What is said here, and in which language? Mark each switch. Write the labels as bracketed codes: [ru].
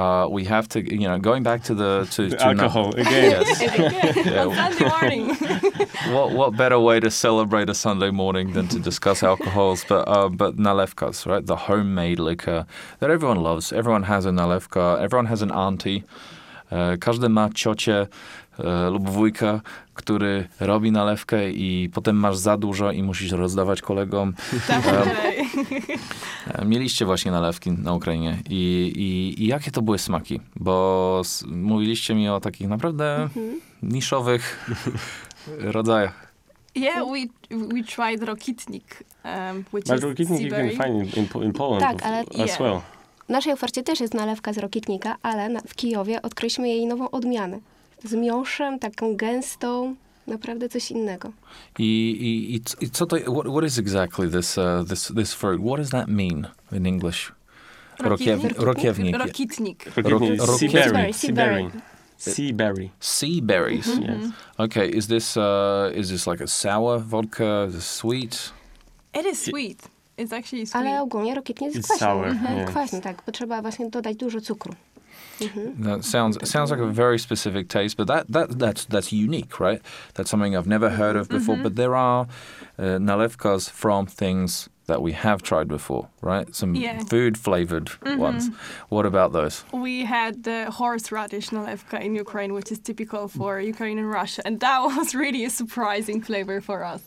[en] We have to, you know, going back to alcohol again. Yes. Again. Yeah. Sunday morning. What better way to celebrate a Sunday morning than to discuss alcohols? But nalewkas, right? The homemade liquor that everyone loves. Everyone has a nalewka. Everyone has an auntie. [pl] Każdy ma ciocię lub wujka, który robi nalewkę i potem masz za dużo i musisz rozdawać kolegom. Mieliście właśnie nalewki na Ukrainie i jakie to były smaki? Bo mówiliście mi o takich naprawdę mm-hmm. niszowych rodzajach. [en] Yeah, we tried rokitnik, which is rokitnik you can find in Poland well. [pl] W naszej ofercie też jest nalewka z rokitnika, ale w Kijowie odkryliśmy jej nową odmianę. Z miąższem, taką gęstą, naprawdę coś innego. I co to, [en] what is exactly this fruit? What does that mean in English? Rokitnik. Rokitnik. Seaberry. Seaberry. Seaberry. Seaberries. Mm-hmm. Yes. Okay, is this like a sour vodka? Is it sweet? It is sweet. It's actually sweet. [pl] Ale ogólnie rokitnik jest kwaśny. [en] Sour, mm-hmm. yes. [pl] Kwaśny, tak. Bo trzeba właśnie dodać dużo cukru. Mm-hmm. [en] That sounds like a very specific taste, but that's unique, right? That's something I've never heard of before. Mm-hmm. But there are nalewkas from things that we have tried before, right? Some food flavored mm-hmm. ones. What about those? We had the horseradish nalewka in Ukraine, which is typical for Ukraine and Russia, and that was really a surprising flavor for us.